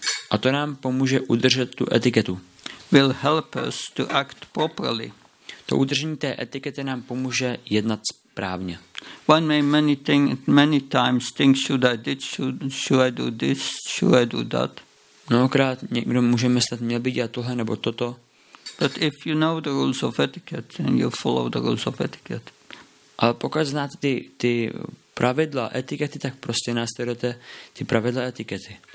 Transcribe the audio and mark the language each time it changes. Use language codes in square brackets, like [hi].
[cs] A to nám pomůže udržet tu etiketu. [en] Will help us to act properly. [cs] To udržení té etikety nám pomůže jednat správně. [en] One may many times think should I do this, should I do that? [cs] Mnohokrát někdo může myslet, měl by dělat tohle nebo toto. [en] But if you know the rules of etiquette, then you follow the rules of etiquette. [cs] Ale pokud znáte ty pravidla etikety, tak prostě následujete ty pravidla etikety.